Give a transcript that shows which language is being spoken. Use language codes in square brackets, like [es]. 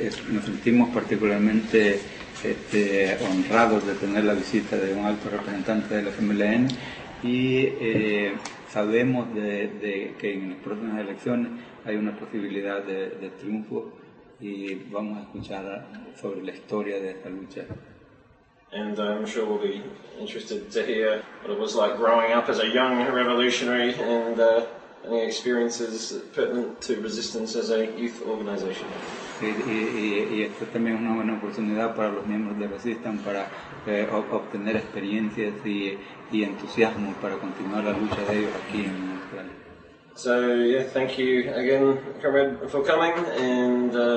[es] Nos sentimos particularmente honrados de tener la visita de un alto representante de la FMLN, y sabemos de que en las próximas elecciones hay una posibilidad de triunfo, y vamos a escuchar sobre la historia de esta lucha. [en] And I'm sure we'll be interested to hear what it was like growing up as a young revolutionary and any experiences pertinent to resistance as a youth organization. [es] Y esta también es una buena oportunidad para los miembros de Resistance para obtener experiencias y entusiasmo para continuar la lucha de ellos aquí en Australia. [en] So, yeah, thank you again, comrade, for coming, and